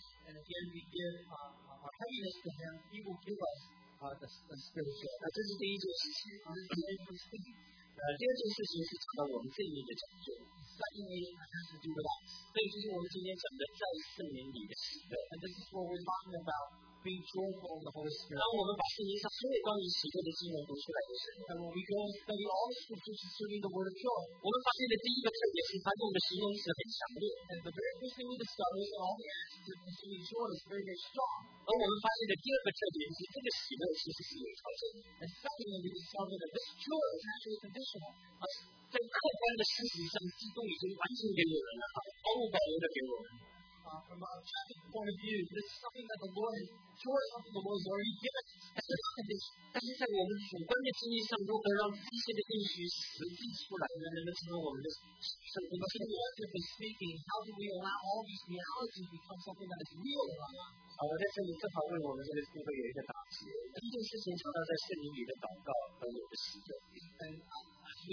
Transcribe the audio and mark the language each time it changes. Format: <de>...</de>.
<en>And again, we give our heaviness to Him, He will give us the spirit of joy.</en> <zh>这是第一件事情。第二件事情。第二件事情是讲到我们这一面的讲究。</zh> <en>Secondly, it has to do with us. And this is what we're talking about. Being joyful in the Holy Spirit.</en> <zh>当我们把圣经上所有关于喜乐的经文读出来的时候</zh> <en>，and when we go and study all the scriptures concerning the word of joy,</en> <zh>我们发现的第一个特点是它用的形容词很强烈。</zh> <en>And the very first thing we discover is all the adjectives concerning joy is very, very strong.</en> <zh>而我们发现的第二个特点是这个喜乐其实是有条件的。</zh> <en>And secondly, we discover that this joy is actually conditional.</en> <zh>在客观的事实上，基督已经完全给我们了，毫无保留的给我们。</zh> <en>From a objective point of view, this is something that the Lord has joy something the Lord has already given us. But in our subjective experience, how can we make these things manifest and become our life? From a subjective speaking, how do we allow all these realities to become something that is real in our life?</en> <zh>我在这里正好为我们这个机会有一个答题。第一件事情讲到在圣灵里的祷告和我的喜乐。</zh>